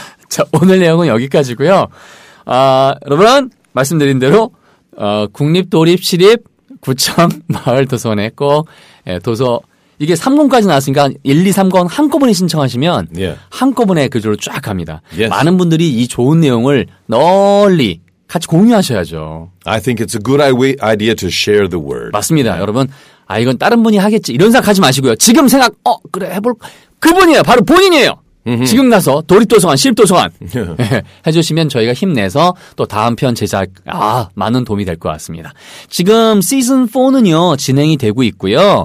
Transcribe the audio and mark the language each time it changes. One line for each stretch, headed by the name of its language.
Korean: 자, 오늘 내용은 여기까지고요. 아, 여러분, 말씀드린 대로 국립 도립 시립 구청 마을 도서원에 꼭 예, 도서 이게 3권까지 나왔으니까 1, 2, 3권 한꺼번에 신청하시면 예. 한꺼번에 그쪽으로 쫙 갑니다.
English: Yes.
Korean: 많은 분들이 이 좋은 내용을 널리 같이 공유하셔야죠.
English: I think it's a good idea to share the word.
Korean: 맞습니다. 여러분, 아 이건 다른 분이 하겠지 이런 생각하지 마시고요. 지금 생각 그래 해볼 그분이에요. 바로 본인이에요. 지금 나서 도립도서관, 시립도서관 해주시면 저희가 힘내서 또 다음 편 제작 많은 도움이 될 것 같습니다. 지금 시즌4는요 진행이 되고 있고요.